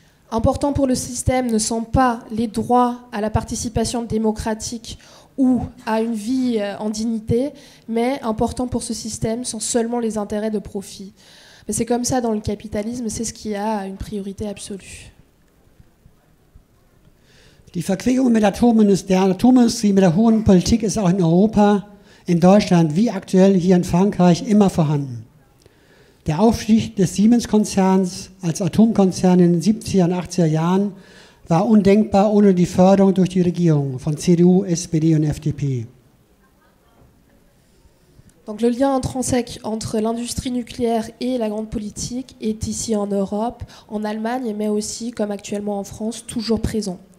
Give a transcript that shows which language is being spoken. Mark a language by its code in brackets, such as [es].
[fr] Important pour le système ne sont pas les droits à la participation démocratique ou à une vie en dignité, mais important pour ce système sont seulement les intérêts de profit. Mais c'est comme ça dans le capitalisme, c'est ce qui a une priorité absolue. [de] Die Verquickung mit der Atomindustrie, mit der hohen Politik ist auch in Europa, in Deutschland, wie aktuell hier in Frankreich, immer vorhanden. Der Aufstieg des Siemens-Konzerns als Atomkonzern in den 70er und 80er Jahren war undenkbar ohne die Förderung durch die Regierung von CDU, SPD und FDP. [fr] Donc le lien intrinsèque entre l'industrie nucléaire et la grande politique est ici en Europe, en Allemagne, mais aussi, comme actuellement en France, toujours présent.